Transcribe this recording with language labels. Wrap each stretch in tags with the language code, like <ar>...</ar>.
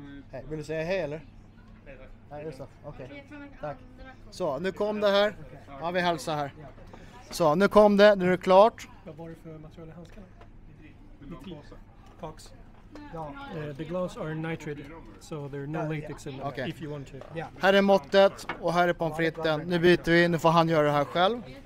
<sv>Hey, vill du säga hej eller? Nej, just det. Okej, tack. Så, nu kom det här. Ja, vi hälsar här. Så, nu kom det. Nu är det klart. Vad var det för material i handskarna? Pox.</sv> <en>The gloves are nitrid, so there are no latex in them, okay. If you want to.</en> <sv>Här är måttet och här är pomfritten. Nu byter vi, nu får han göra det här själv.</sv>